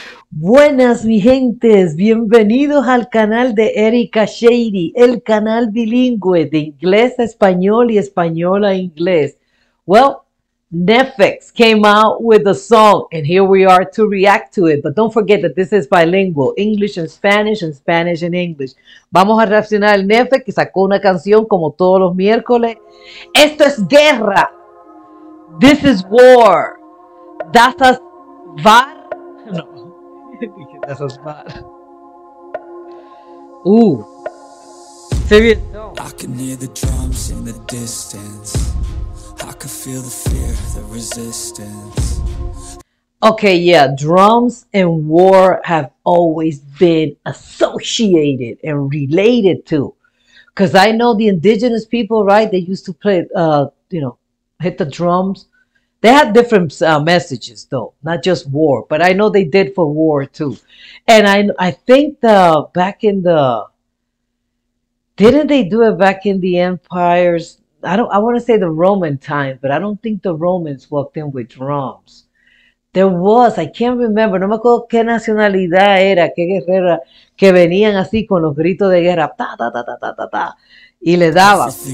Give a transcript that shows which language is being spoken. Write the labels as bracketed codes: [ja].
[es] Buenas, mi gentes, bienvenidos al canal de Erika Shady, el canal bilingüe de inglés a español y español a inglés. [en] Well, Netflix came out with a song, and here we are to react to it. But don't forget that this is bilingual, English and Spanish and English. [es] Vamos a reaccionar al Netflix, que sacó una canción como todos los miércoles. Esto es guerra. [en] This is war. [de] Das ist war. [en] That's bad. Ooh. Save it. No. I can hear the drums in the distance. I can feel the fear, the resistance. Okay, yeah, drums and war have always been associated and related to. Because I know the indigenous people, right? They used to play, you know, hit the drums. They had different messages, though, not just war. But I know they did for war too. And I think the back in the didn't they do it back in the empires? I want to say the Roman time, but I don't think the Romans walked in with drums. There was, I can't remember. [es] No me acuerdo qué nacionalidad era, qué guerrera que venían así con los gritos de guerra, ta ta ta ta ta ta, ta y le daba.